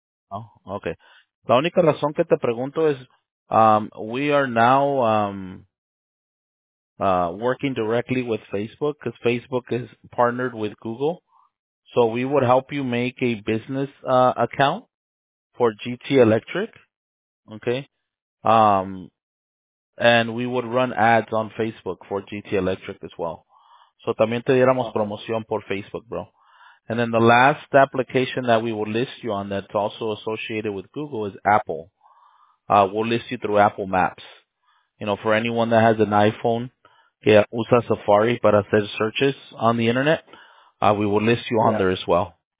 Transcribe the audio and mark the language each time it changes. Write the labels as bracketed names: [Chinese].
[English] Oh, okay. [Spanish] La única razón que te pregunto es, [English] we are now working directly with Facebook because Facebook is partnered with Google. So we would help you make a business account for GT Electric. Okay. And we would run ads on Facebook for GT Electric as well. [Spanish] So también te diéramos promoción por Facebook, bro. [English] And then the last application that we will list you on that's also associated with Google is Apple. We'll list you through Apple Maps. You know, for anyone that has an iPhone [Spanish] que usa Safari para hacer [English] searches on the internet, we will list you on there as well.